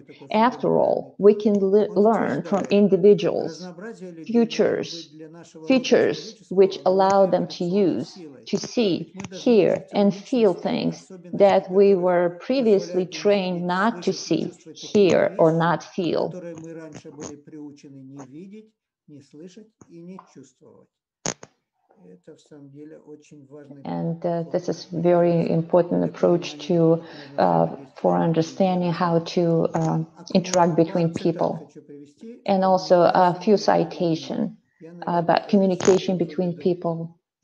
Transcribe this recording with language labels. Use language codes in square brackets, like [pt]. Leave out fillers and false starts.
[en] After all, we can learn from individuals features which allow them to use, to see, hear, and feel things that we were previously trained not to see, hear, or not feel. [ru] Не слышать и не чувствовать. [en] And this is very important approach to for understanding how to interact between people. And also a few citation about communication between people.